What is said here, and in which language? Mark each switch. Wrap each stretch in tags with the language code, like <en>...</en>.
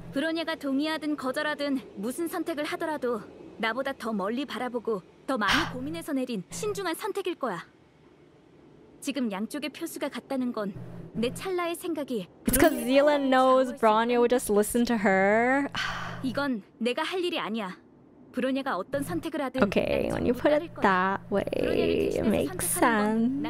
<ko>브로냐가 동의하든 거절하든 무슨 선택을 하더라도 나보다 더 멀리 바라보고 더 많이 고민해서 내린 신중한 선택일 거야. 지금 양쪽의 표수가 같다는 건 내 찰나의 생각이.</ko> <en>It's because Zila knows Bronya would just listen to her.</en> <ko>이건 내가 할 일이 아니야.</ko> <en>Okay, when you put it that way, it makes sense.</en>